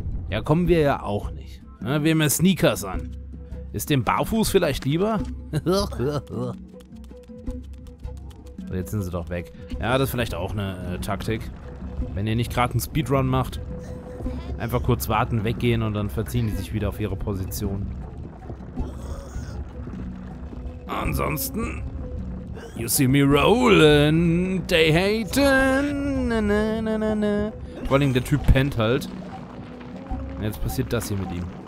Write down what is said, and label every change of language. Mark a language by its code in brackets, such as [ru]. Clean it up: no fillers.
[de] Ja, kommen wir ja auch nicht. Na, wir haben ja Sneakers an. Ist dem barfuß vielleicht lieber? Jetzt sind sie doch weg. Ja, das ist vielleicht auch eine Taktik. Wenn ihr nicht gerade einen Speedrun macht, einfach kurz warten, weggehen und dann verziehen die sich wieder auf ihre Position. Ansonsten... [en] You see me rolling, they hating. Na, na, na, na. [de] Vor allem der Typ pennt halt. Und jetzt passiert das hier mit ihm.